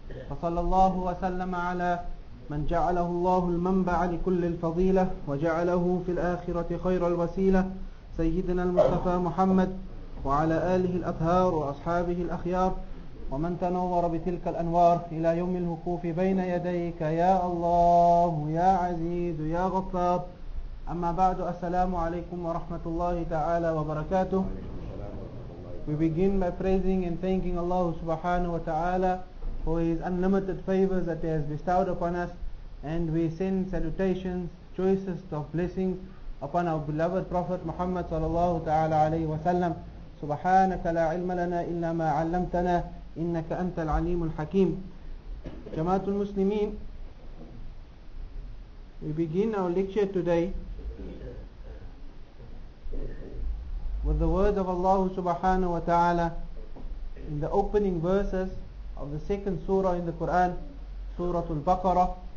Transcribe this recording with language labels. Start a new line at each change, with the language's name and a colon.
Arabic: فصلى الله وسلم على من جعله الله المنبع لكل الفضيلة وجعله في الآخرة خير الوسيلة، سيدنا المصطفى محمد وعلى آله الأطهار وأصحابه الأخيار ومن تنور بتلك الأنوار إلى يوم الوقوف بين يديك يا الله يا عزيز يا غفار. أما بعد، السلام عليكم ورحمة الله تعالى وبركاته.
English: We begin by praising and thanking Allah subhanahu wa ta'ala for his unlimited favors that he has bestowed upon us, and we send salutations, choicest of blessings upon our beloved Prophet Muhammad sallallahu ta'ala alayhi wa sallam.
Arabic: سبحانك لا علم لنا إلا ما علمتنا إنك أنت العليم الحكيم. جماعة المسلمين،
English: we begin our lecture today with the word of Allah subhanahu wa ta'ala in the opening verses of the second surah in the Quran, Surah Al-Baqarah.